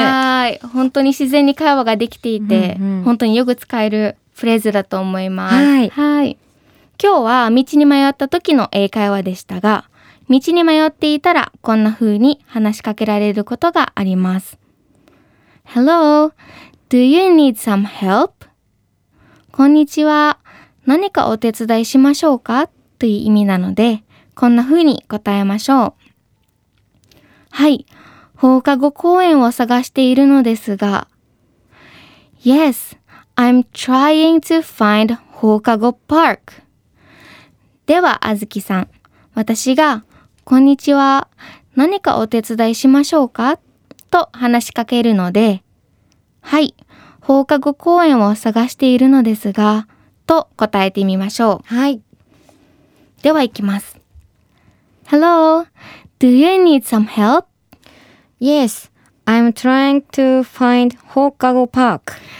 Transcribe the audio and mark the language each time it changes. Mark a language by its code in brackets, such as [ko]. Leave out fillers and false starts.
[ja] はい、本当に自然に会話ができていて、うんうん、本当によく使えるフレーズだと思います。はい、はい、今日は道に迷った時の英会話でしたが、道に迷っていたらこんな風に話しかけられることがあります。 [en] Hello, do you need some help? [ja] こんにちは、何かお手伝いしましょうかという意味なので、こんな風に答えましょう。はい、放課後公園を探しているのですが。 [en] Yes, I'm trying to find 放課後 park. [ja] では、あずきさん、私が、こんにちは、何かお手伝いしましょうか? と話しかけるので、はい、放課後公園を探しているのですが、と答えてみましょう。はい。では、行きます。 [en] Hello, do you need some help? Yes, I'm trying to find Hokkaido Park.